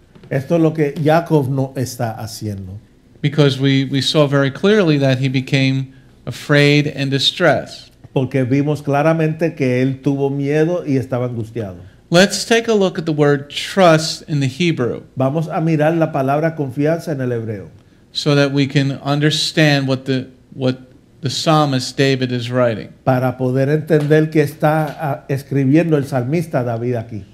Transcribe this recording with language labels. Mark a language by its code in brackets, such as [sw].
[es] Esto es lo que Jacob no está haciendo. [en] Because we saw very clearly that he became afraid and distressed. [es] Porque vimos claramente que él tuvo miedo y estaba angustiado. [en] Let's take a look at the word trust in the Hebrew. [es] Vamos a mirar la palabra confianza en el hebreo. [en] So that we can understand what the psalmist David is writing. [es] Para poder entender qué está escribiendo el salmista David aquí.